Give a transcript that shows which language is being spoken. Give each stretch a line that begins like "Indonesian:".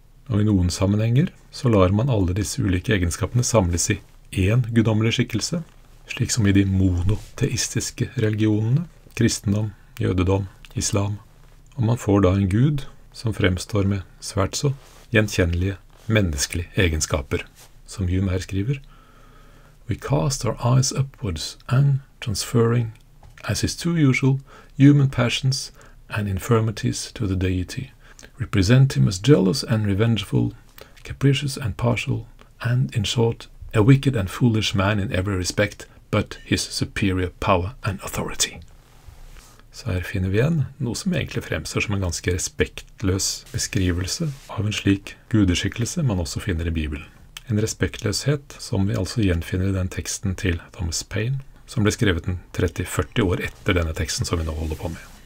Norwegian: Og i noen sammenhenger så lar man alle disse ulike egenskapene samles i én guddommelig skikkelse, slik som i de monoteistiske religionene, kristendom, jødedom, islam. Og man får da en gud som fremstår med svært så gjenkjennelige menneskelige egenskaper, som Hume her skriver.
English: We cast our eyes upwards and transferring, as is too usual, human passions and infirmities to the deity. Represent him as jealous and revengeful, capricious and partial, and in short, a wicked and foolish man in every respect, but his superior power and authority.
Norwegian: Så her finner vi igjen noe som egentlig fremstår som en ganske respektløs beskrivelse av en slik gudeskikkelse man også finner i Bibelen. En respektløshet som vi altså gjenfinner i den teksten til Thomas Paine, som ble skrevet 30-40 år etter denne teksten som vi nå holder på med.